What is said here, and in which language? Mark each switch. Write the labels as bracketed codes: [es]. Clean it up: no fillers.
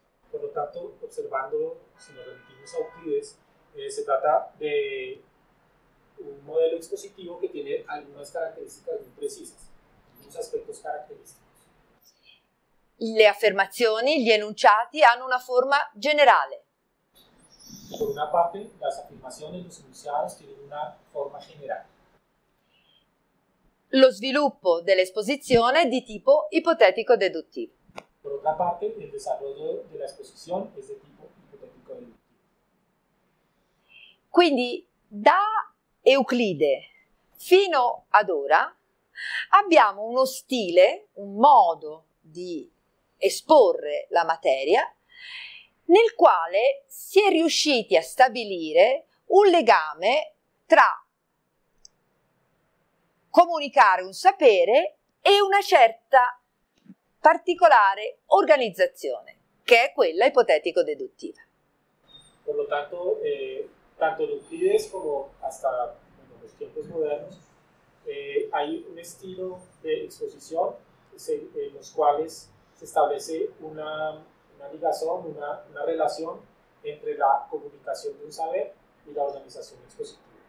[es] Por lo tanto, observando, si nos remitimos a Euclide, se trata de un modelo expositivo que tiene algunas características muy precisas, unos aspectos característicos. [it] Le affermazioni, gli enunciati, hanno una forma generale. [es] Por una parte, las afirmaciones, los enunciados tienen una forma general. [it] Lo sviluppo dell'esposizione è di tipo ipotetico-deduttivo. [es] Por otra parte, el desarrollo de la exposición es de tipo ipotético-deduttivo. [it] Quindi, da Euclide fino ad ora, abbiamo uno stile, un modo di esporre la materia, nel quale si è riusciti a stabilire un legame tra comunicare un sapere e una certa particolare organizzazione, che è quella ipotetico-deduttiva. [es] Por lo tanto, tanto en Euclides como hasta bueno, los tiempos modernos, hay un estilo de exposición en los cuales se establece una ligazón, una relación entre la comunicación de un saber y la organización expositiva.